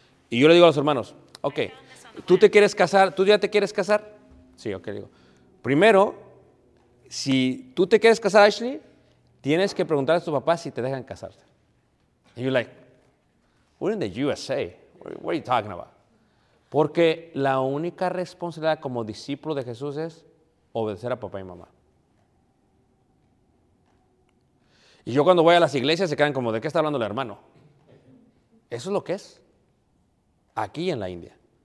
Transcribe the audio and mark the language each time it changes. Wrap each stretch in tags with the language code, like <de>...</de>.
<es>Y yo le digo a los hermanos, ok, ¿tú te quieres casar? ¿Tú ya te quieres casar? Sí, ok, digo. Primero, si tú te quieres casar, Ashley, tienes que preguntar a tu papá si te dejan casarte.</es> <en>And you're like, we're in the USA. What are you talking about?</en> <es>Porque la única responsabilidad como discípulo de Jesús es obedecer a papá y mamá. Y yo cuando voy a las iglesias se quedan como, ¿de qué está hablando el hermano? Eso es lo que es, aquí en la India.</es>